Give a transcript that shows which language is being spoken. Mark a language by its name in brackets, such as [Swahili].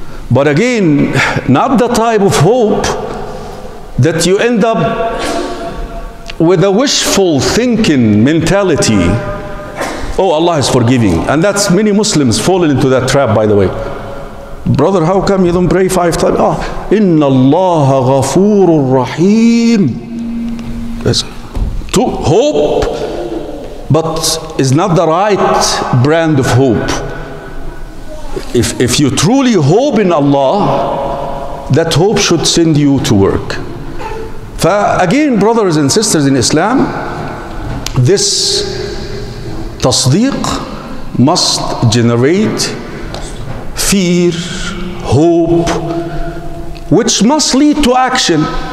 [English] But again, not the type of hope that you end up with a wishful thinking mentality oh, Allah is forgiving. And that's many Muslims falling into that trap, by the way. Brother, how come you don't pray five times? [Arabic] Ah, إِنَّ اللَّهَ غَفُورٌ رَحِيمٌ. [English] There's two, hope, but is not the right brand of hope. If you truly hope in Allah, that hope should send you to work. Again, brothers and sisters in Islam, this tasdiq must generate fear, hope, which must lead to action.